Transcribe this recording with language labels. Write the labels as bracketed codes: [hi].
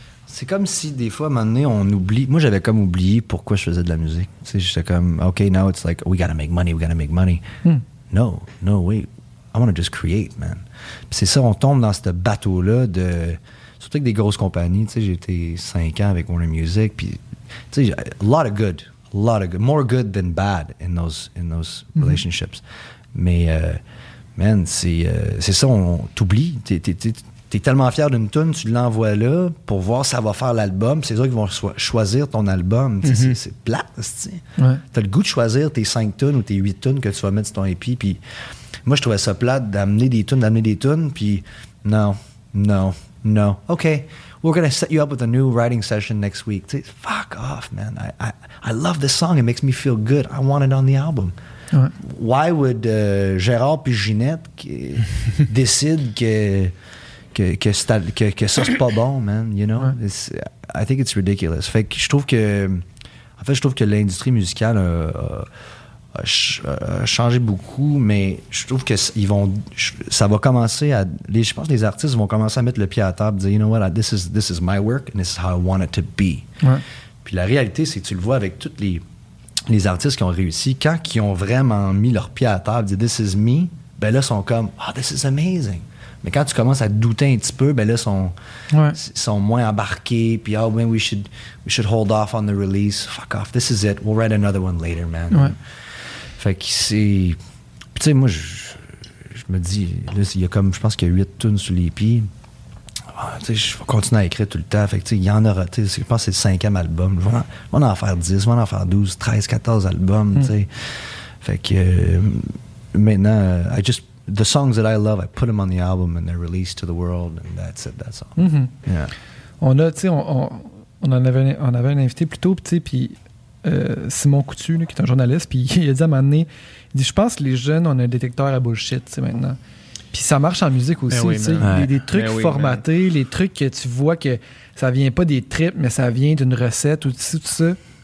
[fr] C'est comme si des fois, à un moment donné, on oublie. Moi, j'avais comme oublié pourquoi je faisais de la musique. T'sais, j'étais comme, [en] OK, now it's like, we gotta make money. No, wait. I wanna just create, man. [fr] Puis c'est ça, on tombe dans ce bateau-là de... Surtout avec des grosses compagnies. J'ai été 5 ans avec Warner Music. Puis, tu sais, [en] a lot of good, more good than bad in those relationships. [fr] Mais, man, c'est ça, on t'oublie. T'es tellement fier d'une toune, tu l'envoies là pour voir si ça va faire l'album. C'est eux qui vont choisir ton album. C'est plate, t'as le goût de choisir tes 5 tounes ou tes 8 tounes que tu vas mettre sur ton EP. Puis, moi, je trouvais ça plate d'amener des tounes, puis non, non, [en] No. Okay. We're going to set you up with a new writing session next week. Say, fuck off, man. I love this song. It makes me feel good. I want it on the album. [fr] Ouais. [en] Why would [fr] Gérard puis Ginette décide que ça, c'est pas bon, man? [en] You know? [fr] Ouais. [en] It's, I think it's ridiculous. [fr] Fait que je trouve que... En fait, je trouve que l'industrie musicale a changé beaucoup, mais je trouve que ça va commencer à... je pense que les artistes vont commencer à mettre le pied à table, dire, [en] you know what, this is my work and this is how I want it to be. [fr] Ouais. Puis la réalité, c'est que tu le vois avec tous les artistes qui ont réussi, quand ils ont vraiment mis leur pied à table, dit [en] this is me, [fr] ben là, ils sont comme, [en] oh, this is amazing. [fr] Mais quand tu commences à douter un petit peu, ben là, ils sont, ouais, sont moins embarqués. [en] Puis, oh, man, we should hold off on the release. Fuck off. This is it. We'll write another one later, man. [fr] Ouais. Fait que c'est... Puis, tu sais, moi, je me dis... Là, il y a comme... Je pense qu'il y a 8 tunes sur l'EP. Ah, tu sais, je vais continuer à écrire tout le temps. Fait que, tu sais, il y en aura... Je pense que c'est le 5e album. Je vais en faire 10, je vais en faire 12, 13, 14 albums, tu sais. Fait que... maintenant, [en] I just... The songs that I love, I put them on the album and they're released to the world and that's it, that's all. Mm-hmm. Yeah. [fr] On a, tu sais, on avait un invité plus tôt, tu sais, puis Simon Coutu, là, qui est un journaliste, puis il a dit à un moment donné, il dit, je pense que les jeunes, on a un détecteur à bullshit, tu sais, maintenant. Puis ça marche en musique aussi, oui, tu sais. Ouais. Il y a des trucs oui, formatés, [en] man. [fr] Les trucs que tu vois que ça vient pas des tripes, mais ça vient d'une recette ou tout ça.